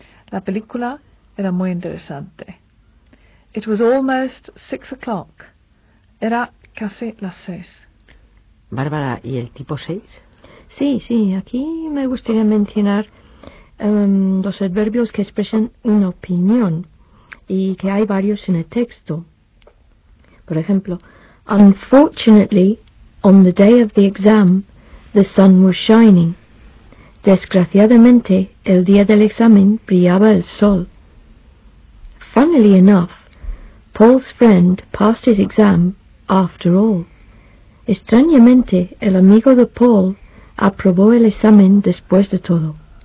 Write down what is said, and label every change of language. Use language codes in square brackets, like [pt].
[es] La película era muy interesante. [en] It was almost 6 o'clock. [es] Era casi las 6. Bárbara, ¿y el tipo 6? Sí, sí, aquí me gustaría mencionar los adverbios que expresan una opinión y que hay varios en el texto. Por ejemplo, [en] unfortunately, on the day of the exam, the sun was shining. [es] Desgraciadamente, el día del examen brillaba el sol. [en] Funnily enough, Paul's friend passed his exam after all. [es] Extrañamente, el amigo de Paul aprobó el examen después de todo.